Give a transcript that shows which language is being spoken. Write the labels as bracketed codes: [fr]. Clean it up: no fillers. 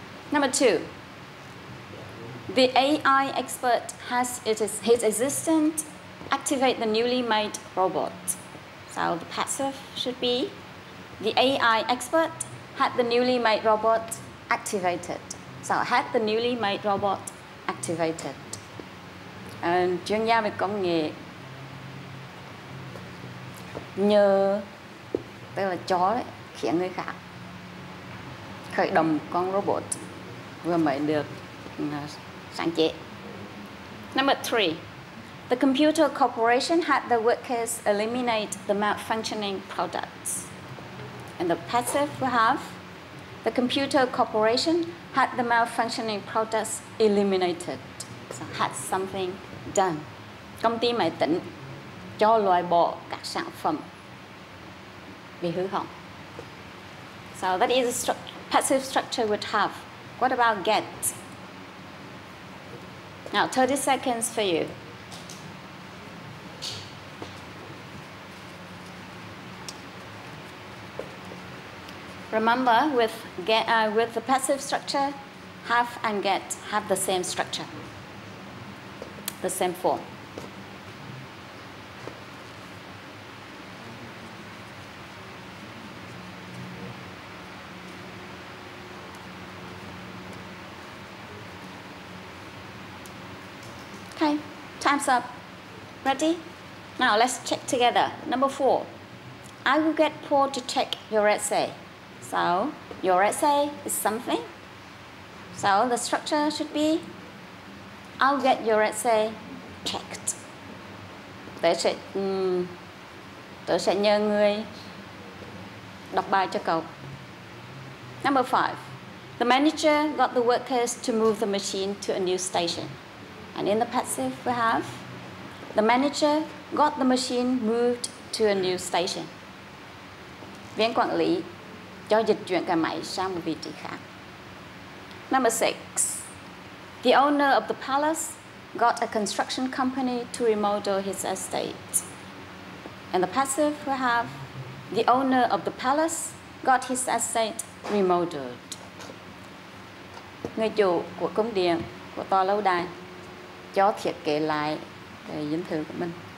[en] Number two. The AI expert has his assistant activate the newly made robot. So the passive should be, the AI expert had the newly made robot activated. So had the newly made robot activated. [vi] Chuyên gia về công nghệ nhờ, tức là chó đấy, khiến người khác khởi động con robot vừa mới được sáng chế. [en] Number three, the computer corporation had the workers eliminate the malfunctioning products. And the passive we have, the computer corporation had the malfunctioning products eliminated. So had something done. [vi] Công ty máy tính cho loại bỏ các sản phẩm bị hư hỏng. [en] So that is a passive structure we'd have. What about get? Now 30 seconds for you. Remember, with the passive structure, have and get have the same structure, the same form. Okay, time's up. Ready? Now let's check together. Number four, I will get Paul to check your essay. So your essay is something. So the structure should be, I'll get your essay checked. [vi] Tôi sẽ nhờ người đọc bài cho cậu. [en] Number five, the manager got the workers to move the machine to a new station. And in the passive we have, the manager got the machine moved to a new station. [vi] Viên quản lý cho dịch chuyển cái máy sang một vị trí khác. [en] Number six, the owner of the palace got a construction company to remodel his estate. In the passive we have, the owner of the palace got his estate remodeled. [vi] Người chủ của cung điện, của tòa lâu đài, cho thiết kế lại cái dinh thự của mình.